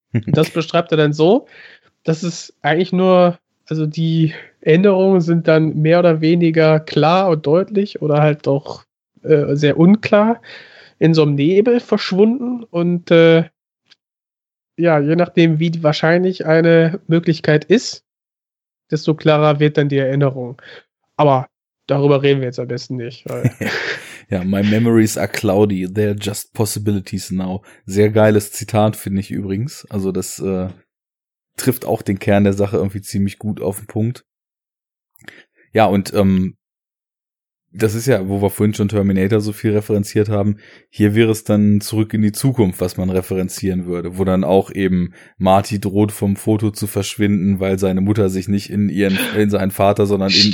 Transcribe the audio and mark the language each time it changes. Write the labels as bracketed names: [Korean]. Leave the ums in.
[German] Und das beschreibt er dann so, dass es eigentlich nur, also die Änderungen sind dann mehr oder weniger klar und deutlich oder halt doch äh, sehr unklar in so einem Nebel verschwunden und äh, ja, je nachdem, wie wahrscheinlich eine Möglichkeit ist, desto klarer wird dann die Erinnerung. Aber darüber reden wir jetzt am besten nicht. Weil [English] Ja, my memories are cloudy, they're just possibilities now. [German] Sehr geiles Zitat finde ich übrigens. Also das äh, trifft auch den Kern der Sache irgendwie ziemlich gut auf den Punkt. Ja, und ähm, das ist ja, wo wir vorhin schon Terminator so viel referenziert haben. Hier wäre es dann zurück in die Zukunft, was man referenzieren würde, wo dann auch eben Marty droht vom Foto zu verschwinden, weil seine Mutter sich nicht in ihren, in seinen Vater, sondern in ihn